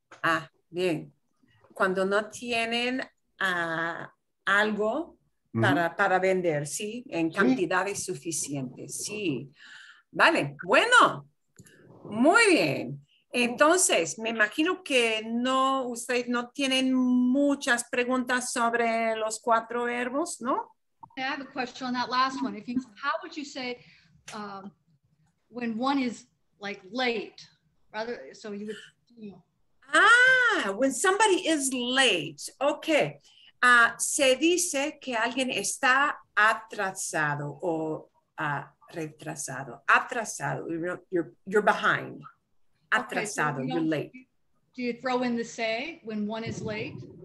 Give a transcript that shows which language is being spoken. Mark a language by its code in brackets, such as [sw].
[es] Ah, bien. Cuando no tienen algo para vender, ¿sí? En cantidades suficientes, sí. Vale, bueno. Muy bien. Entonces, me imagino que no, ustedes no tienen muchas preguntas sobre los cuatro verbos, ¿no? [en] I have a question on that last one. If you, how would you say when one is like late? Rather, so you would, when somebody is late. Okay. [es] Se dice que alguien está atrasado o retrasado. [en] Atrasado. You're behind. Atrasado. Okay, so you're late. Do you throw in the say when one is late?